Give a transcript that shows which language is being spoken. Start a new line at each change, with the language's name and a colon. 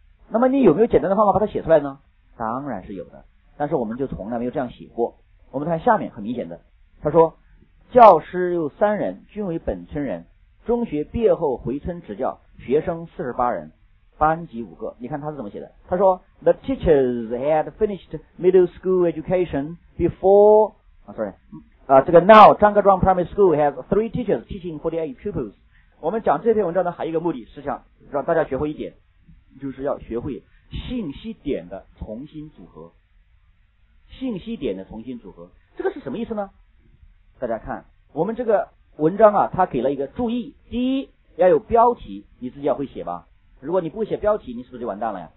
Chinese: 那么你有没有简单的方法把它写出来呢？当然是有的，但是我们就从来没有这样写过。我们看下面很明显的，他说教师有三人，均为本村人，中学毕业后回村执教，学生48人，班级5个。你看他是怎么写的，他说
English: The teachers had finished middle school education before、
Chinese: 这个
English: now 张各庄 primary school has 3 teachers teaching 48 pupils。
Chinese: 我们讲这篇文章呢还有一个目的是想让大家学会一点，就是要学会信息点的重新组合。信息点的重新组合这个是什么意思呢？大家看我们这个文章啊，它给了一个注意，第一要有标题，你自己要会写吧，如果你不写标题你是不是就完蛋了呀。